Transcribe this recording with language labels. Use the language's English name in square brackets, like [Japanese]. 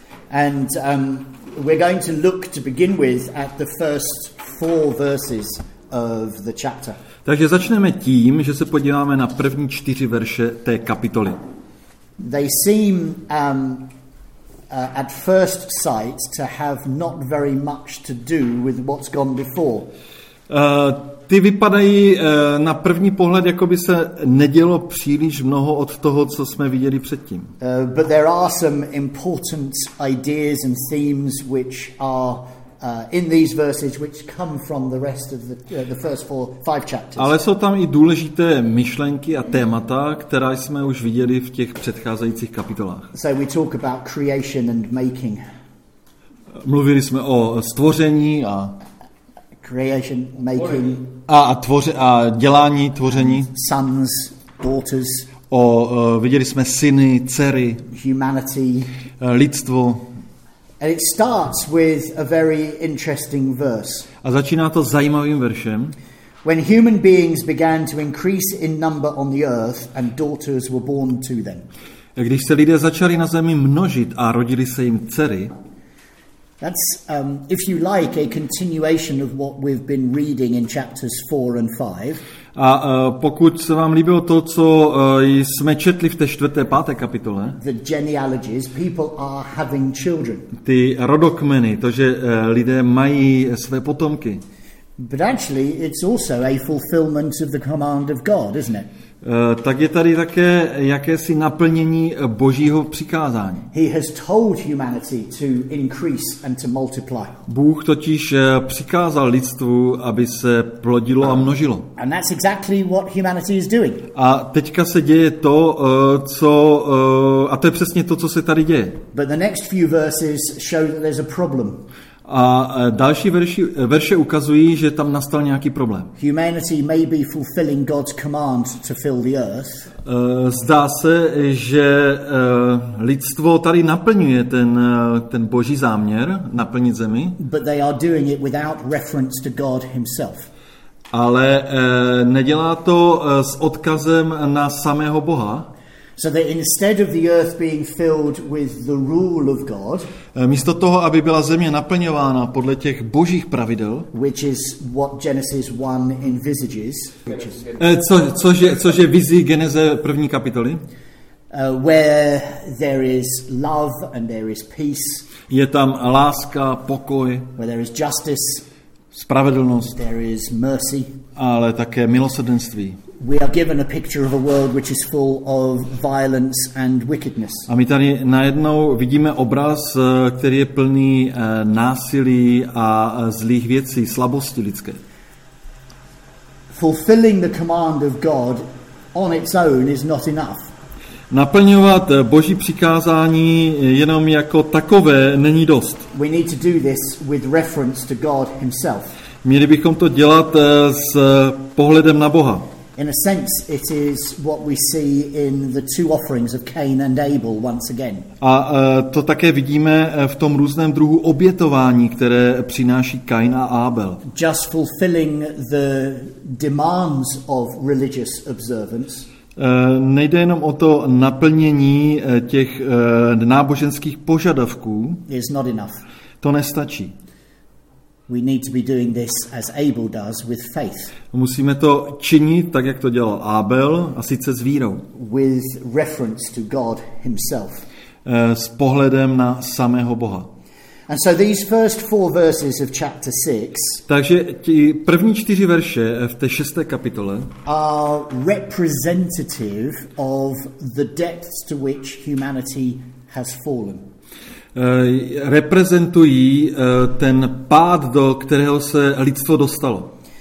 [English] And we're going to look to begin with at the first 4 verses of the chapter. [Czech] Takže začneme tím, že se podíváme na první 4 verše té kapitoly. [English] They seem at first sight to have not very much to do with what's gone before. [Czech] Ty vypadají na první pohled, jako by se nedělo příliš mnoho od toho, co jsme viděli předtím. [English] But there are some important ideas and themes which are in these verses which come from the rest of the first four, five chapters. [Czech] Ale jsou tam i důležité myšlenky a témata, která jsme už viděli v těch předcházejících kapitolách. [English] So we talk about creation and making. [Czech] Mluvili jsme o stvoření a [English] creation, making, [Czech] a dělání, tvoření. [English] Sons, daughters. [Czech] Viděli jsme syny, dcery. [English] Humanity. [Czech] Lidstvo. [English] And it starts with a very interesting verse. [Czech] A začíná to zajímavým veršem. [English] When human beings began to increase in number on the earth and daughters were born to them. [Czech] Když se lidé začali na zemi množit a rodili se jim dcery. [English] That's if you like a continuation of what we've been reading in chapters 4 and 5. [Czech] A pokud se vám líbilo to, co jsme četli v té 4. a 5. kapitole. [English] The genealogies, people are having children. [Czech] Ty rodokmeny, to, že lidé mají své potomky. [English] But actually it's also a fulfillment of the command of God, isn't it? [Czech] Tak je tady také jakési naplnění Božího přikázání. [English] He has told humanity to increase and to multiply. [Czech] Bůh totiž přikázal lidstvu, aby se plodilo a množilo. [English] And that's exactly what humanity is doing. [Czech] A teďka se děje to, co a to je přesně to, co se tady děje. [English] But the next few verses show that there's a problem. [Czech] A další verše ukazují, že tam nastal nějaký problém. [English] Humanity may be fulfilling God's command to fill the earth. [Czech] Zdá se, že lidstvo tady naplňuje ten Boží záměr naplnit zemi. [English] But they are doing it without reference to God himself. [Czech] Ale nedělá to s odkazem na samého Boha. [English] So that instead of the earth being filled with the rule of God, [Czech] místo toho, aby byla země naplňována podle těch božích pravidel, [English] which is what Genesis 1 envisages, which is [Czech] což je vizí Geneze první kapitoly, [English] where there is love and there is peace, [Czech] je tam láska, pokoj, [English] where there is justice, [Czech] spravedlnost, [English] there is mercy, [Czech] ale také milosrdenství. [English] We are given a picture of a world which is full of violence and wickedness. [Czech] A my tady najednou vidíme obraz, který je plný násilí a zlých věcí, slabosti lidské. [English] Fulfilling the command of God on its own is not enough. [Czech] Naplňovat Boží přikázání jenom jako takové není dost. [English] We need to do this with reference to God himself. [Czech] Měli bychom to dělat s pohledem na Boha. [English] In a sense, it is what we see in the two offerings of Cain and Abel once again. [Czech] A to také vidíme v tom různém druhu obětování, které přináší Cain a Abel. [English] Just fulfilling the demands of religious observance. [Czech] Nejde jenom o to naplnění těch náboženských požadavků. [English] Is not enough. [Czech] To nestačí. [English] We need to be doing this as Abel does with faith. [Czech] Musíme to činit tak, jak to dělal Abel, a sice s vírou. [English] With reference to God himself. [Czech] S pohledem na samého Boha. [English] And so these first four verses of chapter 6. [Czech] Takže ty první 4 verše v té 6. kapitole [English] are representative of the depths to which humanity has fallen. [Czech] Reprezentují ten pád, do kterého se lidstvo dostalo.